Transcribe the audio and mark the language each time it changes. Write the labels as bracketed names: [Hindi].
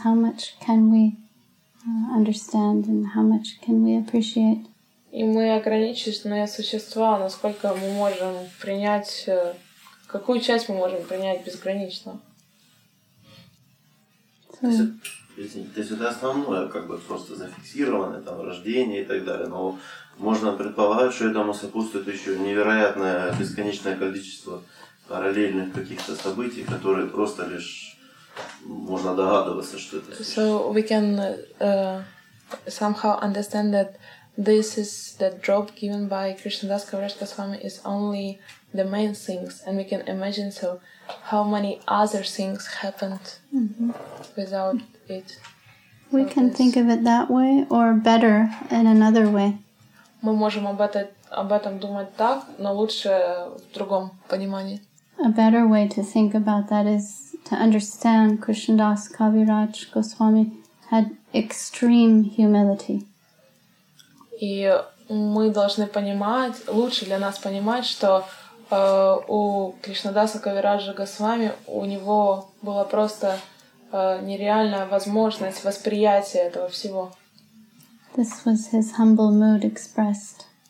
[English] How much can we understand and how much can we appreciate? [Russian] И мы ограниченные существа. Насколько мы можем принять, какую часть мы можем принять безгранично? То есть это основное, как бы просто зафиксировано, там рождение и так далее, но можно предполагать, что этому сопутствует еще невероятное бесконечное количество параллельных каких-то событий, которые просто лишь можно догадываться, что это. [English] So we can somehow understand that this is the drop given by Krishnadas Kaviraj Goswami is only the main things, and we can imagine so how many other things happened without. It. We can think of it that way or better in another way. [Russian] Мы можем об этом думать так, но лучше в другом понимании. [English] A better way to think about that is to understand Krishnadas Kaviraj Goswami had extreme humility. [Russian] И мы должны понимать, лучше для нас понимать, что у Кришнадаса Кавираджа Госвами у него было просто нереальная возможность восприятия этого всего. [English] This was his humble mood expressed.